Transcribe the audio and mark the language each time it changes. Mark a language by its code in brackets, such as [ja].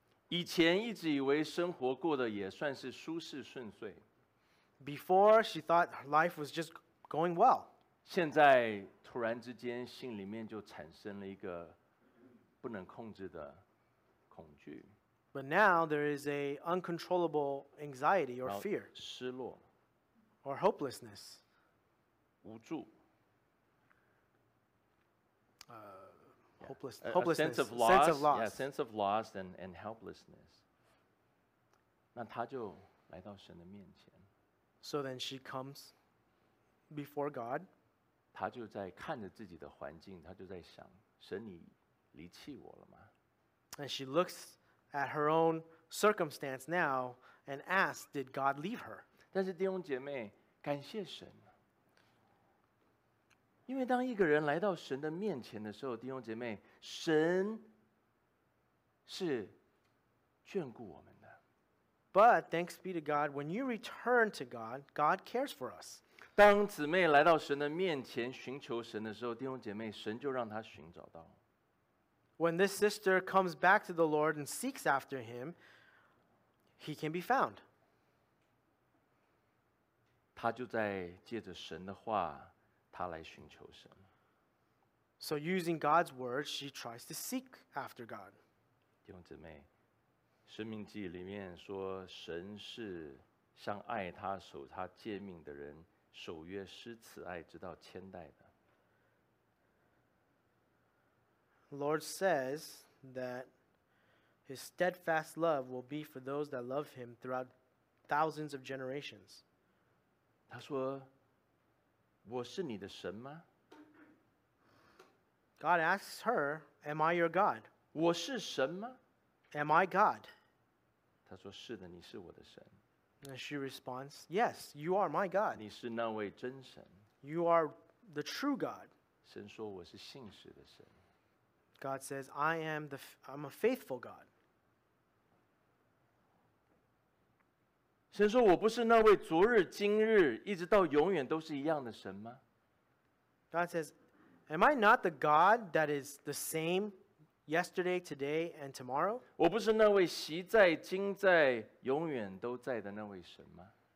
[zh] 以前一直以为生活过得也算是舒适顺遂。 [en] Before, she thought life was just going well. [zh] 现在突然之间，心里面就产生了一个不能控制的恐惧。 [en] But now there is a uncontrollable anxiety or fear. [zh] 失落。 [en] Or hopelessness. [zh] 无助。 [en] Hopelessness. A sense of loss and helplessness. [zh] 那他就来到神的面前。 [en] So then she comes before God. [zh] 他就在看着自己的环境，他就在想，神你离弃我了吗？ [en] And she looks at her own circumstance now and asks, did God leave her? [zh] 但是弟兄姐妹，感谢神。因为当一个人来到神的面前的时候，弟兄姐妹，神是眷顾我们的。 [en] But thanks be to God, when you return to God, God cares for us. [zh] 当姊妹来到神的面前寻求神的时候，弟兄姐妹，神就让她寻找到。 [en] When this sister comes back to the Lord and seeks after him, he can be found. [zh] 她就在借着神的话他来寻求神。 [en] So using God's word, she tries to seek after God. [zh] 弟兄姊妹，《申命记》里面说，神是向爱他、守他诫命的人守约施慈爱，直到千代的。 [en] Lord says that his steadfast love will be for those that love him throughout thousands of generations. [zh] 他说。我是你的神吗? [en] God asks her, am I your God? [zh] 我是神吗? [en] Am I God? [zh] 她说是的,你是我的神。 [en] And she responds, yes, you are my God. [zh] 你是那位真神。 [en] You are the true God. [zh] 神说我是信实的神。 [en] God says, I'm a faithful God. [zh] 神说我不是那位昨日今日一直到永远都是一样的神吗? [en] God says, am I not the God that is the same yesterday, today, and tomorrow? [zh] 我不是那位昔在今在永远都在的那位神吗?